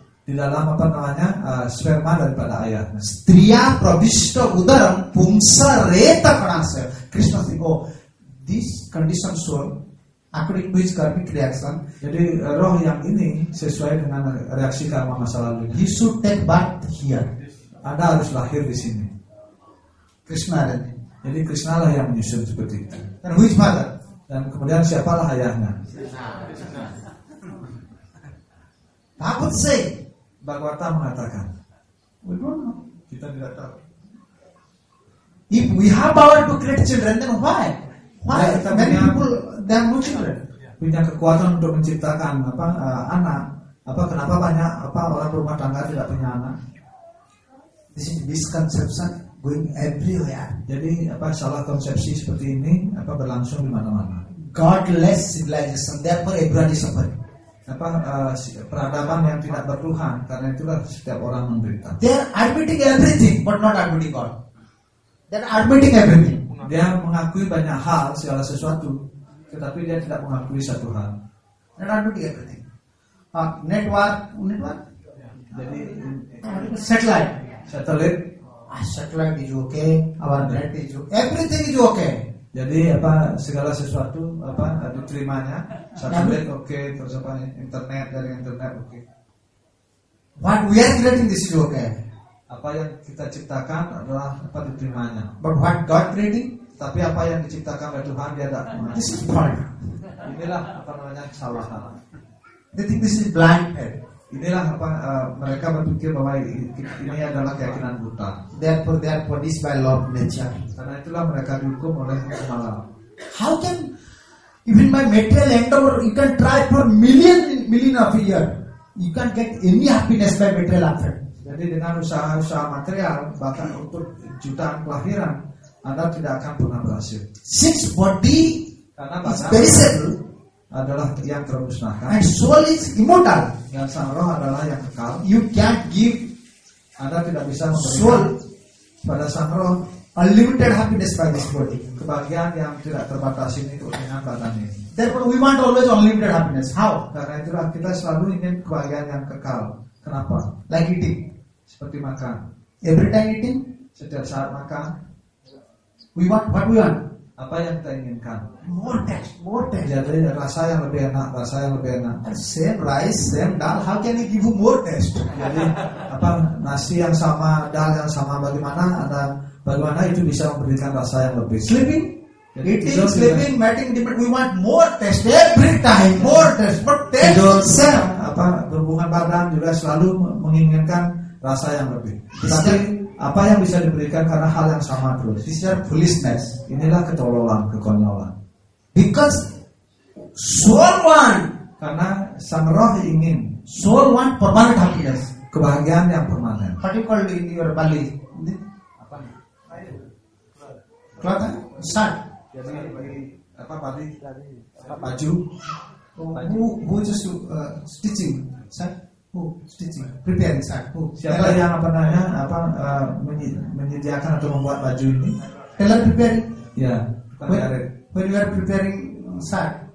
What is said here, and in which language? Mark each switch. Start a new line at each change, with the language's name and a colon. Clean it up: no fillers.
Indonesian: di dalam apa namanya sperma daripada ayah.
Sanskrit: Striya pravishta udaram pumsa reta kanasya.
English: Krishna think, oh, this conditioned soul, according to his karmic reaction,
Indonesian: jadi roh yang ini sesuai dengan reaksi karma masa lalu.
English: He should take birth here.
Indonesian: Anda harus lahir di sini. Krishna lah. Jadi Krishna lah yang menyusun seperti itu. Dan
English: who is father?
Indonesian: Dan kemudian siapalah ayahnya?
English: Krishna.
Indonesian: Takut sih. Bhagavata mengatakan,
English: we don't know.
Indonesian: Kita tidak tahu.
English: If we have power to create children, then why? Why? Ya, many people they have no children.
Indonesian: Punya kekuatan untuk menciptakan apa anak? Apa kenapa banyak apa orang berumah tangga tidak punya anak?
English: This is misconception going everywhere.
Indonesian: Jadi apa salah konsepsi seperti ini apa berlangsung di mana-mana.
English: Godless civilization, therefore everyone is suffering.
Indonesian: Apa peradaban yang tidak bertuhan, karena itulah setiap orang menderita.
English: They are admitting everything but not admitting God. They are admitting everything.
Indonesian: Dia mengakui banyak hal, segala sesuatu, tetapi dia tidak mengakui satu hal.
English: They are admitting everything. Network.
Indonesian: Jadi
English: satellite. Satellite is okay. Our net is okay. Everything is okay.
Indonesian: Jadi apa segala sesuatu apa diterimanya.
English: Satellite okay.
Indonesian: Terus apa internet dari internet okay.
English: What we are creating this is okay.
Indonesian: Apa yang kita ciptakan adalah apa diterimanya.
English: But what God creating?
Indonesian: Tapi apa yang diciptakan oleh Tuhan dia tidak.
English: This is blind.
Indonesian: Inilah apa namanya salah.
English: They think this is blind faith.
Indonesian: Inilah apa mereka berpikir bahwa ini adalah keyakinan buta.
English: Therefore they are punished by law of nature.
Indonesian: Karena itulah mereka dihukum oleh alam.
English: How can even my material endeavor, you can try for million of year, you can get any happiness by material effort.
Indonesian: Jadi dengan usaha-usaha material bahkan untuk jutaan kelahiran Anda tidak akan pernah berhasil.
English: Since body is perishable
Indonesian: adalah yang termusnahkan.
English: And soul is immortal.
Indonesian: Dan sang roh adalah yang kekal.
English: You can't give.
Indonesian: Anda tidak bisa memberikan
English: soul
Indonesian: pada sang roh
English: unlimited happiness by this body.
Indonesian: Kebahagiaan yang tidak terbatas ini dengan badan ini.
English: Therefore we want always unlimited happiness. How?
Indonesian: Karena itulah kita selalu ingin kebahagiaan yang kekal. Kenapa?
English: Like eating.
Indonesian: Seperti makan.
English: Every time eating.
Indonesian: Setiap saat makan.
English: We want what we want.
Indonesian: Apa yang kita inginkan?
English: More taste.
Indonesian: Jadi rasa yang lebih enak.
English: Same rice, same dal. How can you give you more taste?
Indonesian: Jadi apa nasi yang sama, dal yang sama, bagaimana itu bisa memberikan rasa yang lebih?
English: Sleeping, jadi, eating, tidur, sleeping, mating, different. We want more taste every time. More taste, but taste
Indonesian: tidur, same. Apa hubungan badan juga selalu menginginkan rasa yang lebih. Tapi apa yang bisa diberikan karena hal yang sama terus?
English: This is foolishness.
Indonesian: Inilah ketololan, kekonyolan.
English: Because soul want.
Indonesian: Karena sang roh ingin.
English: Soul want permanent happiness.
Indonesian: Kebahagiaan yang permanen.
English: What do you call it in your Bali?
Indonesian: Apa?
English: Cloth. Sun.
Indonesian: Jadi apa Bali? Baju.
English: Oh, who just stitching? Sun. Stitching, preparing, sir.
Indonesian: Siapa yang apa namanya apa menyediakan atau membuat baju ini?
English: Tailor preparing.
Indonesian: Ya.
English: When you are preparing, sir.